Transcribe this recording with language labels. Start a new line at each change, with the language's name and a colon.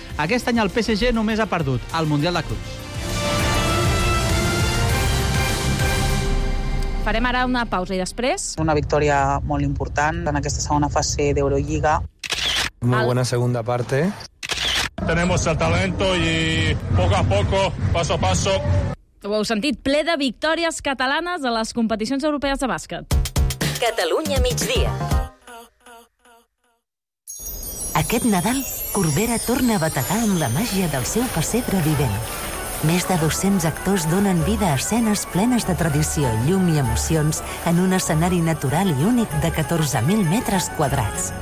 Catalan: Aquest any el PSG només ha perdut el Mundial de Clubs. Farem ara una pausa i després... Una victòria molt important en aquesta segona fase d'Eurolliga. Molt bona
Spanish: segunda parte. Tenemos el talento y poco a poco, paso a paso.
Catalan: Ho heu sentit, ple de victòries catalanes a les competicions europees de bàsquet. Catalunya migdia. Aquest Nadal, Corbera torna a bategar amb la màgia del seu pessebre vivent. Més de 200 actors donen vida a escenes plenes de tradició, llum i emocions en un escenari natural i únic de 14.000 metres quadrats.